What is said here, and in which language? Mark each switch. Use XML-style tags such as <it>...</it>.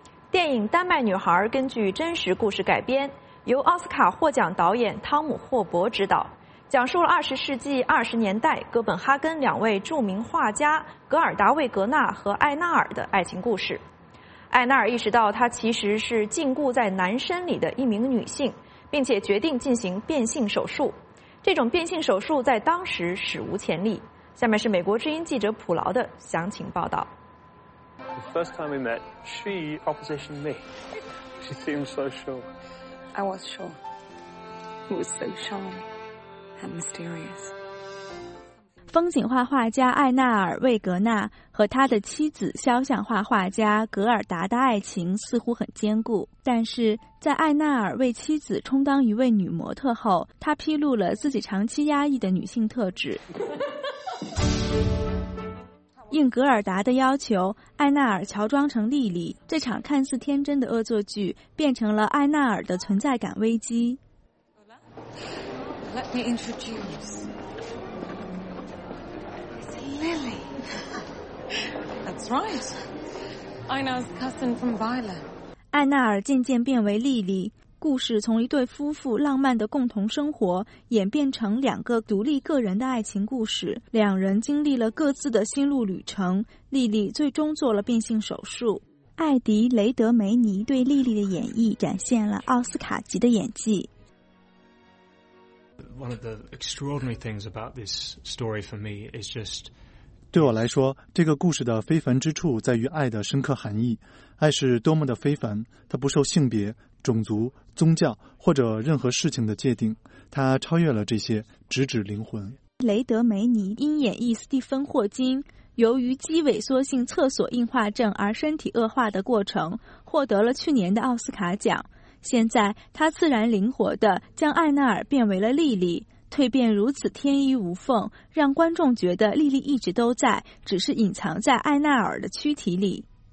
<zh>电影《丹麦女孩》根据真实故事改编，由奥斯卡获奖导演汤姆·霍伯执导，讲述了20世纪20年代哥本哈根两位著名画家格尔达·魏格纳和艾纳尔的爱情故事。艾纳尔意识到她其实是禁锢在男身里的一名女性，并且决定进行变性手术。这种变性手术在当时史无前例。下面是美国之音记者普劳的详情报道。</zh> <en>The first time we met, she oppositioned me. She seemed so sure. I was sure. He was so shy and mysterious.</en> <zh>风景画画家艾纳尔·魏格纳和他的妻子肖像画画家格尔达的爱情似乎很坚固，但是在艾纳尔为妻子充当一位女模特后，他披露了自己长期压抑的女性特质。应格尔达的要求，艾纳尔乔装成莉莉，这场看似天真的恶作剧变成了艾纳尔的存在感危机。</zh> <en>Let me introduce. Lily. That's right. Aina's cousin from Violet.</en> <zh>艾纳尔渐渐变为莉莉，故事从一对夫妇浪漫的共同生活演变成两个独立个人的爱情故事，两人经历了各自的心路旅程，莉莉最终做了变性手术。艾迪·雷德梅尼对莉莉的演绎展现了奥斯卡级的演技。</zh> <en>One of the extraordinary things about this story for me is just</en> <zh>对我来说，这个故事的非凡之处在于爱的深刻含义。爱是多么的非凡，它不受性别、种族、宗教或者任何事情的界定，它超越了这些，直指灵魂。雷德梅尼因演绎斯蒂芬霍金由于肌萎缩性厕所硬化症而身体恶化的过程获得了去年的奥斯卡奖，现在他自然灵活地将艾纳尔变为了莉莉，蜕变如此天衣无缝，让观众觉得莉莉一直都在，只是隐藏在艾纳尔的躯体里。</zh>